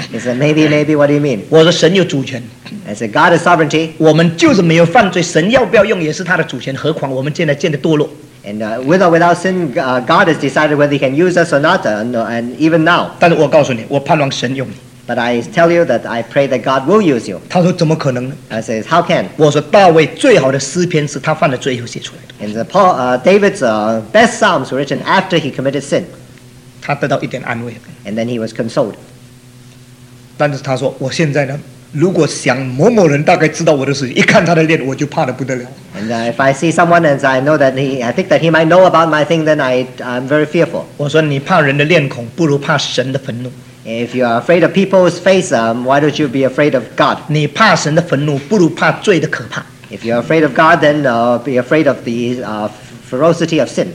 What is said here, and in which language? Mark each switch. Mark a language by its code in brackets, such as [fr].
[en] He said, maybe, maybe, what do you mean? [zh] 我说神有主权. [en] I said, God is sovereignty. [zh] 我们就是没有犯罪, 神要不要用也是他的主权, 何况我们现在建的堕落. [en] And with or without sin, God has decided whether he can use us or not, and even now. [zh] 但是我告诉你, 我盼望神用你. [en] But I tell you that I pray that God will use you. [zh] 他说怎么可能呢? [en] I say, how can? [zh] 我说大卫最好的诗篇是他犯了罪以后写出来的。 [en] And the Paul, David's best psalms were written after he committed sin. [zh] 他得到一点安慰。 [en] And then he was consoled. [zh] 但是他说我现在呢, 如果想某某人大概知道我的事情，一看他的脸，我就怕得不得了。 [en] And if I see someone and I know that he, I think that he might know about my thing, then I'm very fearful. [zh] 我说你怕人的脸孔，不如怕神的愤怒。 [en] If you are afraid of people's face, why don't you be afraid of God? [zh] 你怕神的愤怒，不如怕罪的可怕。 [en] If you are afraid of God, then be afraid of the ferocity of sin.